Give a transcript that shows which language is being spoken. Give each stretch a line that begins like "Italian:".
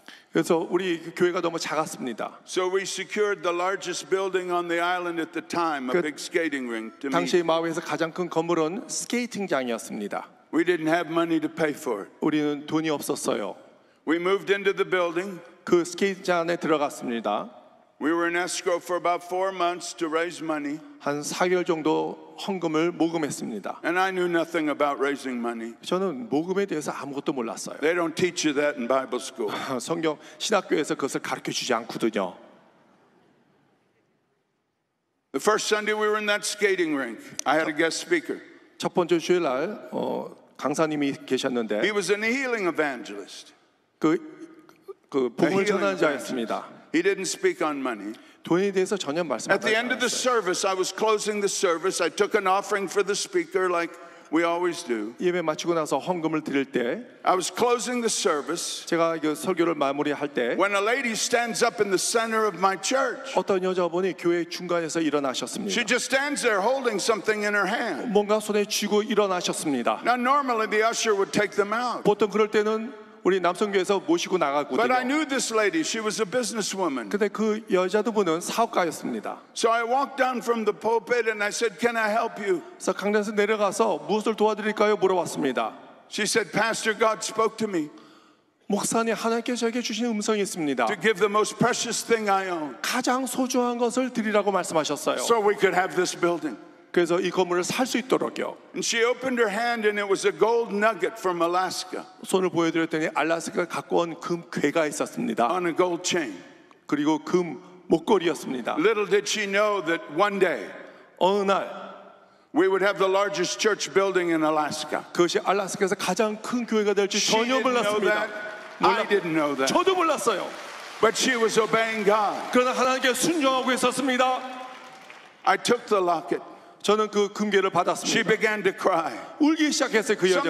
Korean: 그래서 우리 교회가 너무 작았습니다.
English: So we secured the largest building on the island at the time, a big skating rink.
Korean: 당시 마우이에서 가장 큰 건물은 스케이팅장이었습니다.
English: We didn't have money to pay for it.
Korean: 우리는 돈이 없었어요.
English: We moved into the building.
Korean: 그 스케이팅장 안에 들어갔습니다.
English: We were in escrow for about 4 months to raise money.
Korean: 한 4개월 정도 헌금을 모금했습니다.
English: And I knew nothing about raising money.
Korean: 저는 모금에 대해서 아무것도 몰랐어요.
English: They don't teach you that in Bible school.
Korean: 성경 신학교에서 그것을 가르쳐 주지 않거든요.
English: The first Sunday we were in that skating rink. I had a guest speaker.
Korean: 첫 번째 주일날 강사님이 계셨는데.
English: He was a healing evangelist.
Korean: 그 복음을 전하는 자였습니다.
English: He didn't speak on money.
Korean: 돈에 대해서 전혀 말씀하지 않았어요.
English: At the end of the service, I was closing the service. I took an offering for the speaker like we always do.
Korean: 예배 마치고 나서 헌금을 드릴 때,
English: I was closing the service.
Korean: 제가 그 설교를 마무리할 때,
English: when a lady stands up in the center of my church.
Korean: 어떤 여자분이 교회 중간에서 일어나셨습니다.
English: She just stands there holding something in her hand.
Korean: 뭔가 손에 쥐고 일어나셨습니다.
English: Now normally the usher would take them out.
Korean: 보통 그럴 때는 우리 남성교회에서 모시고 나가거든요.
English: But I knew this lady. She was a businesswoman.
Korean: 근데 그 여자분은 사업가였습니다.
English: So I walked down from the pulpit and I said, "Can I help you?"
Korean: 그래서 강단에서 내려가서 무엇을 도와드릴까요? 물어봤습니다.
English: She said, "Pastor, God spoke to me."
Korean: 목사님, 하나님께서 저에게 주신 음성이 있습니다.
English: To give the most precious thing I own.
Korean: 가장 소중한 것을 드리라고 말씀하셨어요.
English: So we could have this building.
Korean: 그래서 이 건물을 살 수 있도록요.
English: And she opened her hand and it was a gold nugget from Alaska.
Korean: 손을 보여드렸더니 알래스카 갖고 온 금 괴가 있었습니다.
English: On a gold chain.
Korean: 그리고 금 목걸이였습니다.
English: Little did she know that one day,
Korean: 어느 날,
English: we would have the largest church building in Alaska.
Korean: 그것이 알래스카에서 가장 큰 교회가 될지 전혀 몰랐습니다.
English: I didn't know that.
Korean: 저도 몰랐어요.
English: But she was obeying God.
Korean: 그러나 하나님께 순종하고 있었습니다.
English: I took the locket.
Korean: 저는 그 금괴를 받았습니다.
English: She began to cry.
Korean: 울기 시작했어요, 그 여자분이.